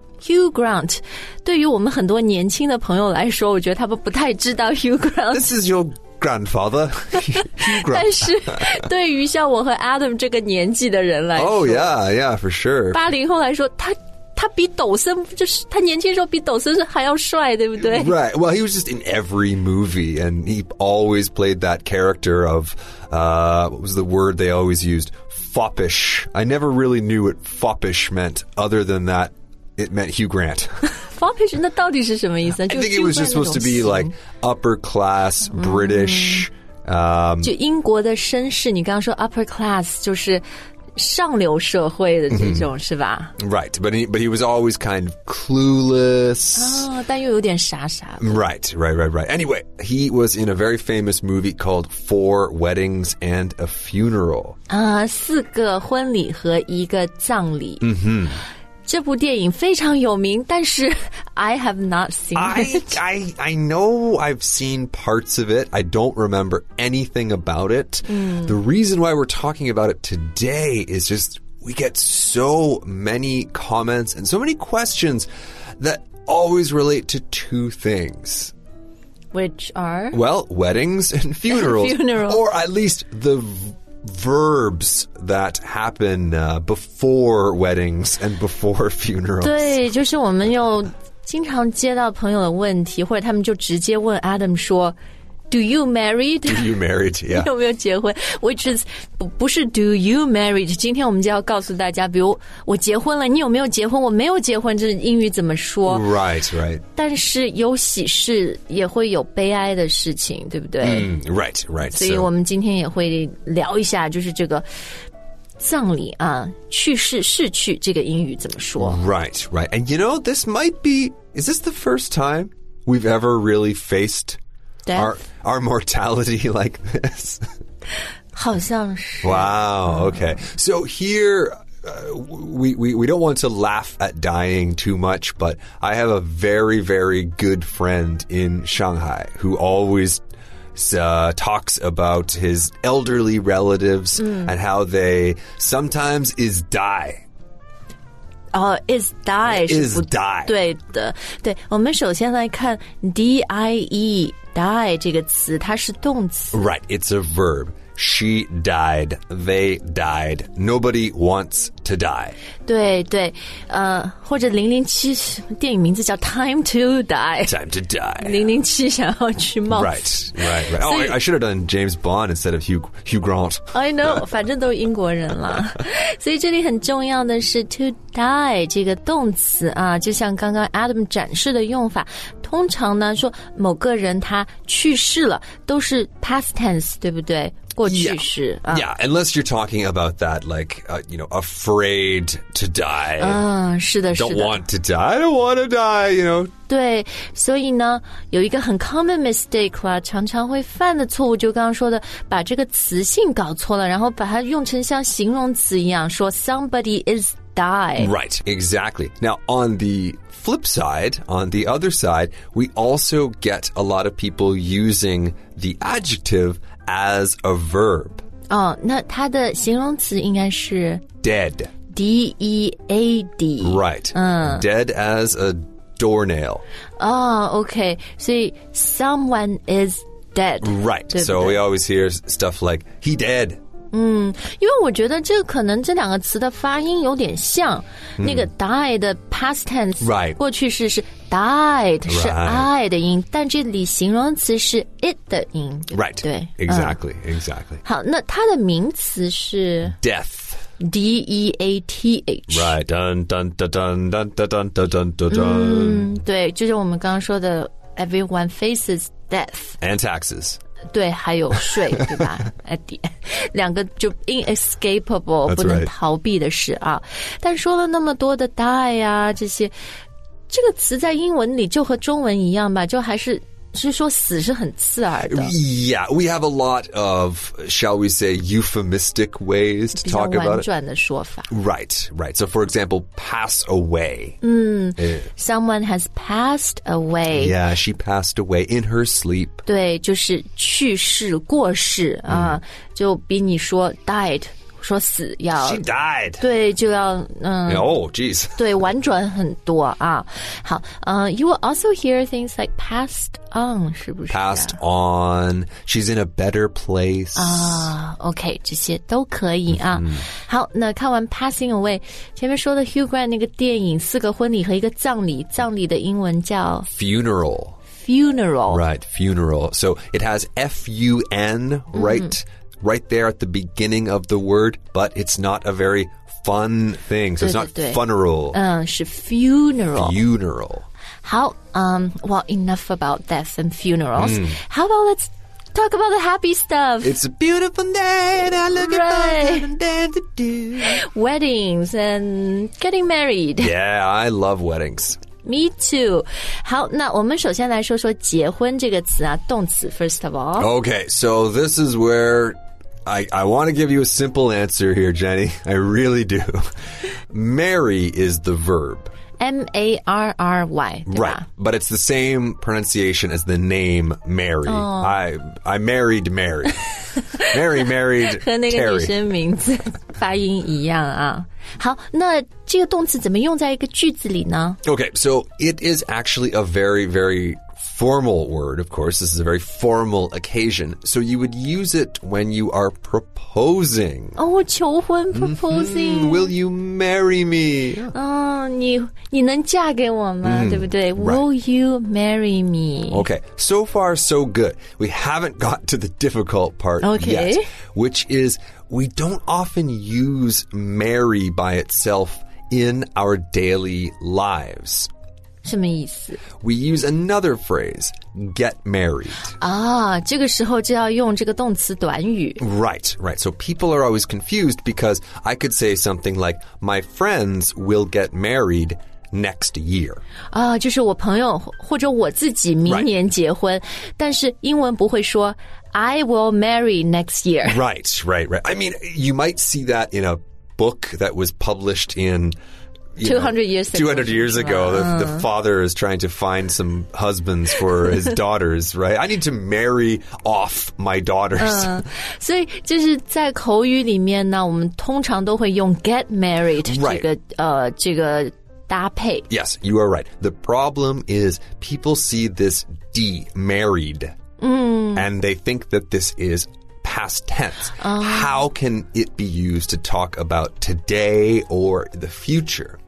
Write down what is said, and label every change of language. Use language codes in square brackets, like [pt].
[zh] Hugh Grant, 对于我们很多年轻的朋友来说，我觉得他们不太知道 Hugh Grant. [en] This is your grandfather, Hugh Grant. [zh] 但是对于像我和 Adam 这个年纪的人来说 [en] Oh yeah, yeah, for sure. [zh] 80后来说他比抖森就是他年轻时候比抖森还要帅，对不对 [en] ？Right. Well, he was just in every movie, and he always played that character of, what was the word they always used? Foppish. I never really knew what foppish meant, other than that it meant Hugh Grant. [zh] Foppish? 那到底是什么意思？ [en] I think it was just supposed to be like upper class British. [zh] 就英国的绅士，你刚刚说 upper class 就是。上流社会的这种、mm-hmm. 是吧 [en] ？Right, but he was always kind of clueless. [zh] 啊、oh, ，但又有点傻傻的。 [en] Right. Anyway, he was in a very famous movie called Four Weddings and a Funeral. [zh] 啊、四个婚礼和一个葬礼。嗯哼。这部电影非常有名，但是 [en] I have not seen it. I know I've seen parts of it. I don't remember anything about it.、The reason why we're talking about it today is just we get so many comments and so many questions that always relate to two things. Which are? Well, weddings and funerals. Funerals. Or at least the... verbs that happen、before weddings and before funerals. [zh] 对，就是我们又经常接到朋友的问题，或者他们就直接问 Adam 说 ， [en] Do you married? Do you married? Yeah. [zh] 有没有结婚 ？ [en] Which is [zh] 不是 [en] Do you married? [zh] 今天我们就要告诉大家，比如我结婚了，你有没有结婚？我没有结婚，这英语怎么说 [en] ？Right, right. [zh] 但是有喜事也会有悲哀的事情，对不对、 [en] Right, right. [zh] 所以我们今天也会聊一下，就是这个葬礼啊，去世、逝去这个英语怎么说 [en] ？Right, right. And you know, this might be is this the first time we've ever really faced death? our mortality like this? [zh] 好像是。 [en] Wow. Okay. So here. We don't want to laugh at dying too much, but I have a very, very good friend in Shanghai who always、talks about his elderly relatives、and how they sometimes is die. Is die. Is die. [zh] 对的。对，我们首先来看 D-I-E, die 这个词，它是动词。 [en] Right, it's a verb. She died. They died. Nobody wants to die. [zh] 对对，或者007电影名字叫 Time to Die. [en] Time to die. [zh] 007想要去冒死。 [en] Right. Oh, I should have done James Bond instead of Hugh Grant. I know. [zh] 反正都是英国人了。所以这里很重要的是 to die 这个动词啊，就像刚刚 Adam 展示的用法。通常呢，说某个人他去世了，都是 past tense， 对不对？过去式。 [en] Yeah, unless you're talking about that, like, you know, afraid to die. [zh] 是的，是的。 [en] Don't want to die. I don't want to die. You know. [zh] 对，所以呢，有一个很 common mistake 啦，常常会犯的错误，就刚刚说的，把这个词性搞错了，然后把它用成像形容词一样，说 [en] somebody is die. Right. Exactly. Now on the flip side, on the other side, we also get a lot of people using the adjective as a verb. [zh] Oh, 那它的形容词应该是 [en] dead. D-E-A-D. Right. Dead as a doornail. Oh, okay. So someone is dead. Right. So we always hear stuff like, he dead. [zh] 因为我觉得这可能这两个词的发音有点像、那个 die 的 past tense、 [en] right. [zh] 过去式是 died、 [en] right. [zh] 是 I 的音但这里形容词是 it 的音 [en] Right, [zh] 对 [en] exactly,、exactly [zh] 好那它的名词是 [en] Death D-E-A-T-H Right, dun dun dun dun dun dun dun dun dun dun dun、 [zh] 对就是我们刚刚说的 [en] Everyone faces death And taxes [zh] 对，还有税，对吧？ [en] at the end, [zh] 两个就 [en] inescapable、 right. [zh] 不能逃避的事啊。但说了那么多的 die 啊，这些这个词在英文里就和中文一样吧，就还是所以说死是很刺耳的。 [en] Yeah, we have a lot of, shall we say, euphemistic ways to talk about it. [zh] 比较婉转的说法。 [en] Right, right. So, for example, pass away. Someone has passed away. Yeah, she passed away in her sleep. [zh] 对，就是去世、过世啊、就比你说 died. 说死要 [en] She died. [zh] 对就要、 [en] Oh, geez. [zh] 对婉转很多啊。 [en] 好、you will also hear things like passed on, [zh] 是不是、 [en] 啊、 Passed on, she's in a better place. [zh] 啊 OK, 这些都可以啊。好那看完 passing away, 前面说的 Hugh Grant 那个电影四个婚礼和一个葬礼葬礼的英文叫 [en] Funeral. Funeral. Right, funeral. So it has F-U-N, right,、right there at the beginning of the word, but it's not a very fun thing. So it's not funeral. [zh] 是 funeral. [en] Funeral. How, well, enough about death and funerals.、How about let's talk about the happy stuff? It's a beautiful day and I look at the sun and dance. Weddings and getting married. Yeah, I love weddings. Me too. [zh] 好，那我们首先来说说结婚这个词啊，动词 [en] first of all. Okay, so this is where I want to give you a simple answer here, Jenny. I really do. Marry is the verb. M-A-R-R-Y, right? But it's the same pronunciation as the name Mary.、I married Mary. Mary married Terry. [zh] 和那个女生名字发音一样啊。好，那这个动词怎么用在一个句子里呢 [en] ？Okay, so it is actually a very, very formal word. Of course, this is a very formal occasion. So you would use it when you are proposing. [zh] Oh, 求婚 proposing.、 [en] Will you marry me? [zh] 你能嫁给我吗？对不对 ？Will、 [en] right. you marry me? Okay, so far so good. We haven't got to the difficult part、yet, which is. We don't often use marry by itself in our daily lives. [zh] 什么意思? [en] We use another phrase, get married. [zh] 啊，这个时候就要用这个动词短语。 [en] Right, right. So people are always confused because I could say something like, my friends will get married next year. [zh] 啊，就是我朋友或者我自己明年结婚、right. 但是英文不会说 [en] I will marry next year. Right, right, right. I mean, you might see that in a book that was published in... 200 years ago. The father is trying to find some husbands for his daughters, right? I need to marry off my daughters. [zh] 所以就是在口语里面呢，我们通常都会用 get married 这个搭配。 [en] Yes, you are right. The problem is people see this D, married... And they think that this is past tense.、How can it be used to talk about today or the future?